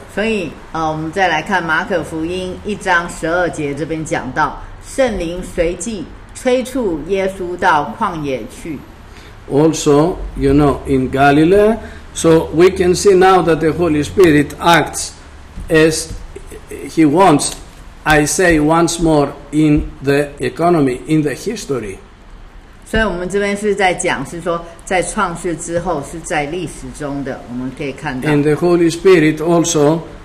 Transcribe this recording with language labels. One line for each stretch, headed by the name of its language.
Chinese: 所以，我们再来看马可福音一章十二节，这边讲到圣灵随即催促耶稣到旷野去。
English: Also, you know, in Galilee, so we can see now that the Holy Spirit acts as He wants. I say once more, in the economy, in the history.
Chinese: 所以我们这边是在讲，是说在创世之后，是在历史中的，我们可以看到。
English: And the Holy Spirit also